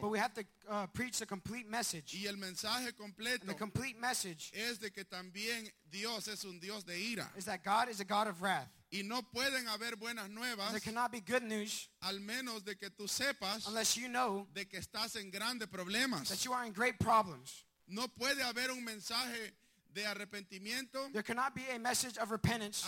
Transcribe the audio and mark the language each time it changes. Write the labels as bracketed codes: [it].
[en] But we have to preach the complete message. [es] Y el mensaje completo, [en] and the complete message, [es] es de que también Dios es un Dios de ira. [en] Is that God is a God of wrath. [es] Y no pueden haber buenas nuevas, [en] there cannot be good news, [es] al menos de que tú sepas, [en] unless you know, [es] de que estás en grandes problemas, [en] that you are in great problems. [es] No puede haber un mensaje de arrepentimiento, [en] there cannot be a message of repentance,